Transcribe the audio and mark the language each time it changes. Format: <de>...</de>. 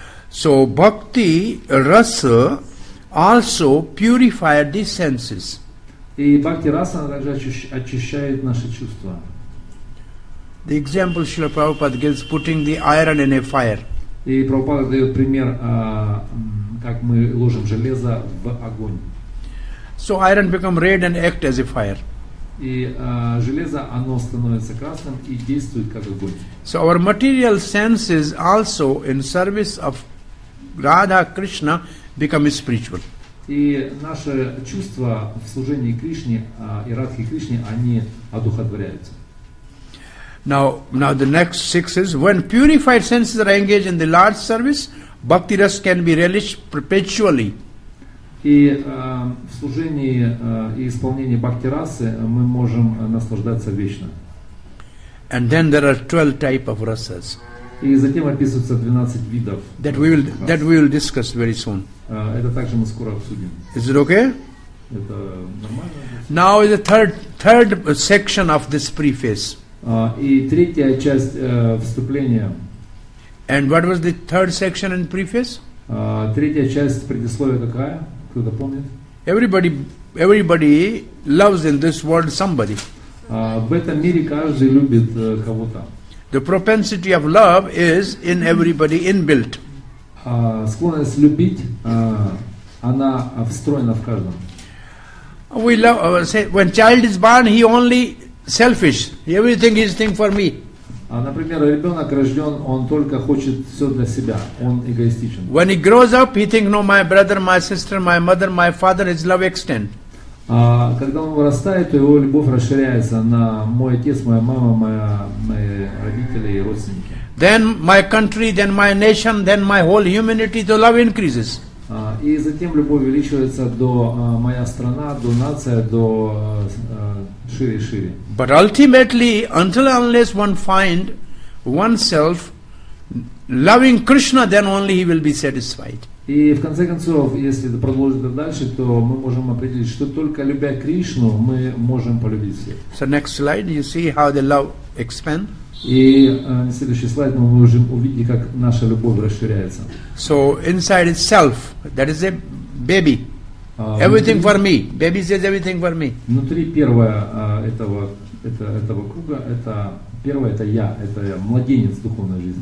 <en>So bhakti rasa also purifies the senses.</en> <ru>И бхакти раса также очищает наши чувства.</ru> <en>The example Srila Prabhupada gives putting the iron in a fire.</en> <ru>И Прабхупада дает пример, как мы ложим железо в огонь.</ru> <en>So iron become red and act as a fire.</en> <ru>И железо оно становится красным и действует как огонь.</ru> <en>So our material senses also in service of Radha Krishna become spiritual.</en> <ru>И наши чувства в служении Кришне и Радхи Кришне, они одухотворяются.</ru> <en>Now the next six is when purified senses are engaged in the Lord's service, bhakti rasa can be relished perpetually.</en> <ru>И в служении и исполнении бхакти расы мы можем наслаждаться вечно.</ru> <en>And then there are 12 type of rasas.</en> <ru>И затем описываются 12 видов.</ru> <en>That we will discuss very soon.</en> <ru>Это также мы скоро обсудим.</ru> <en>Is it okay?</en> <ru>Это нормально?</ru> <en>Now is the third section of this preface.</en> <ru>И третья часть вступления.</ru> <en>And what was the third section in preface?</en> <ru>Третья часть предисловия какая? Кто-то помнит?</ru> <en>Everybody loves in this world somebody.</en> <ru>В этом мире каждый любит кого-то.</ru> <en>The propensity of love is in everybody inbuilt.</en> <ru>Склонность любить, она встроена в каждом.</ru> <en>We love, say, when child is born, he only selfish. Everything is thing for me.</en> <ru>Например, ребенок рожден, он только хочет все для себя. Он эгоистичен.</ru> <en>When he grows up, he thinks, no, my brother, my sister, my mother, my father, his love extends.</en> <ru>Когда он вырастает, то его любовь расширяется на мой отец, моя мама, мои родители и родственники.</ru> <en>Then my country, then my nation, then my whole humanity, the love increases.</en> <ru>И затем любовь увеличивается до моя страна, до нация, до шире и шире.</ru> <en>But ultimately, until and unless one find oneself loving Krishna, then only he will be satisfied.</en> <ru>И в конце концов, если это продолжится дальше, то мы можем определить, что только любя Кришну, мы можем полюбить всех.</ru> <en>So next slide, you see how the love expands.</en> <ru>И на следующий слайд мы можем увидеть, как наша любовь расширяется.</ru> <en>So inside itself, that is a baby. Everything for me. Baby says everything for me.</en> <ru>Внутри первого этого круга, это первое, это я, это младенец духовной жизни.</ru>